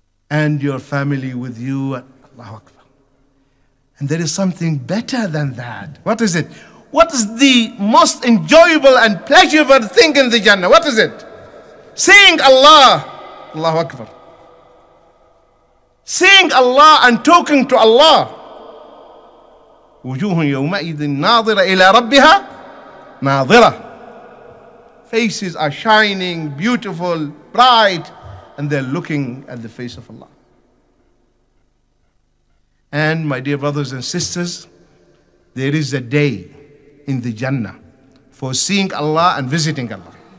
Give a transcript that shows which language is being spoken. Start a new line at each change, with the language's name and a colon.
English: And your family with you, Allahu Akbar. And there is something better than that. What is it? What is the most enjoyable and pleasurable thing in the Jannah? What is it? Seeing Allah, Allahu Akbar. Seeing Allah and talking to Allah.
Arabic: وجوه يومئذ ناظرة إلى ربها ناظرة.
English: Faces are shining, beautiful, bright, and they're looking at the face of Allah. And my dear brothers and sisters, there is a day in the Jannah for seeing Allah and visiting Allah.